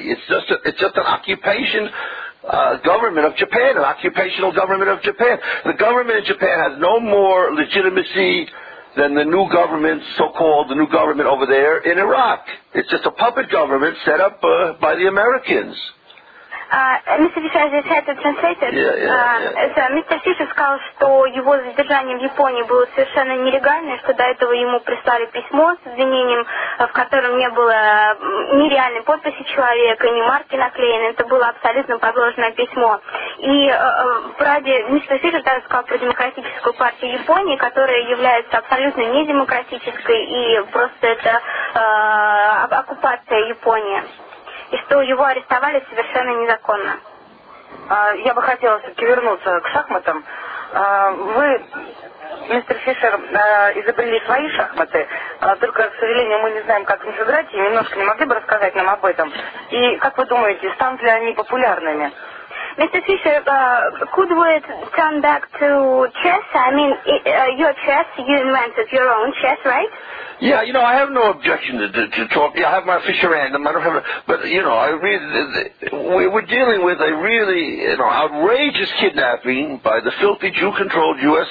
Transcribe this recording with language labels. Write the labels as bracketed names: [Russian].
[English] It's just an occupation government of Japan, an occupational government of Japan. The government of Japan has no more legitimacy than the new government, so-called the new government over there in Iraq. It's just a puppet government set up by the Americans. [Russian] Мистер Фишер, здесь это транслятор. Мистер Фишер сказал, что его задержание в Японии было совершенно нелегальное, что до этого ему прислали письмо с обвинением в котором не было ни реальной подписи человека, ни марки наклеены. Это было абсолютно подложенное письмо. И в Раде мистер Фишер даже сказал про демократическую партию Японии, которая является абсолютно недемократической, и просто это оккупация Японии. И что его арестовали совершенно незаконно. Я бы хотела все-таки вернуться к шахматам. Вы, мистер Фишер, изобрели свои шахматы, только, к сожалению, мы не знаем, как их играть, и немножко не могли бы рассказать нам об этом. И как вы думаете, станут ли они популярными? [English] Mr. Fisher, could we turn back to chess? I mean, your chess, you invented your own chess, right? Yeah, you know, I have no objection to talk. Yeah, I have my Fisher random. I don't have a, but, you know, I really, we're dealing with a really, you know, outrageous kidnapping by the filthy Jew-controlled U.S.